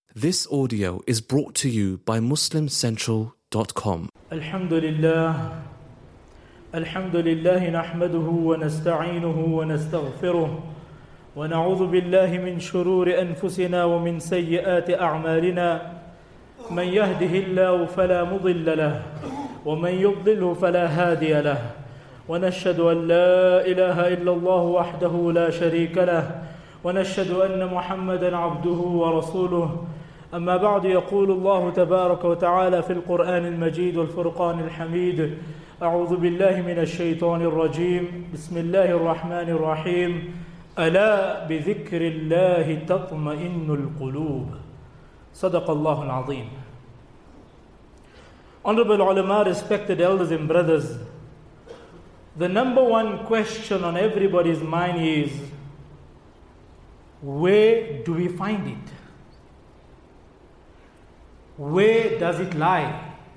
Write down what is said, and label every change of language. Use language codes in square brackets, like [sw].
[en] This audio is brought to you by MuslimCentral.com. [ar] Alhamdulillah. Alhamdulillah, نحمده ونستعينه ونستغفره ونعوذ بالله من شرور أنفسنا ومن سيئات أعمالنا. من يهده الله فلا مضل له ومن يضلله فلا هادي له. ونشهد أن لا إله إلا الله وحده لا شريك له. ونشهد أن محمدًا عبده ورسوله. أما بعد، يقول الله تبارك وتعالى في القرآن المجيد والفرقان الحميد: أعوذ بالله من الشيطان الرجيم، بسم الله الرحمن الرحيم: ألا بذكر الله تطمئن القلوب. صدق الله العظيم. [en] Honorable ulama, respected elders and brothers, the number one question on everybody's mind is, where do we find it? Where does it lie?